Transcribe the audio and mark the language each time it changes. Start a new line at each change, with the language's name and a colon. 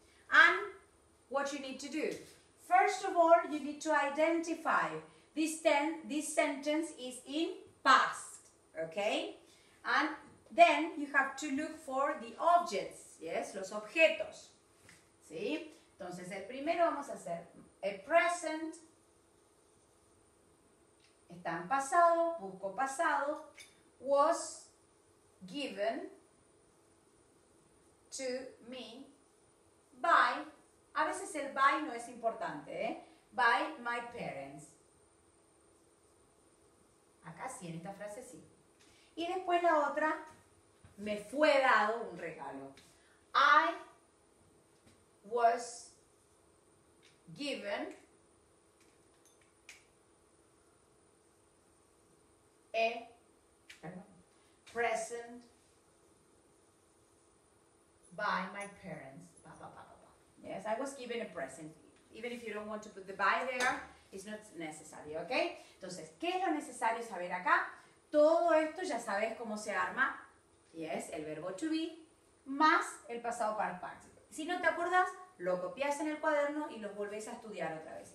English: And what you need to do? First of all, you need to identify this sentence is in past, okay? And then you have to look for the objects, yes,
Spanish: los objetos.
English: See?
Spanish: Entonces, el primero vamos a hacer el present. Está en pasado, busco pasado.
English: Was given to me by,
Spanish: a veces el by no es importante, ¿eh?
English: By my parents.
Spanish: Acá sí, en esta frase sí. Y después la otra, me fue dado un regalo.
English: I was given a present by my parents. Yes, I was given a present. Even if you don't want to put the by there, it's not necessary, okay?
Spanish: Entonces, ¿qué es lo necesario saber acá? Todo esto ya sabes cómo se arma. Yes, el verbo to be más el pasado participle. Si no te acuerdas, lo copias en el cuaderno y lo volvés a estudiar otra vez.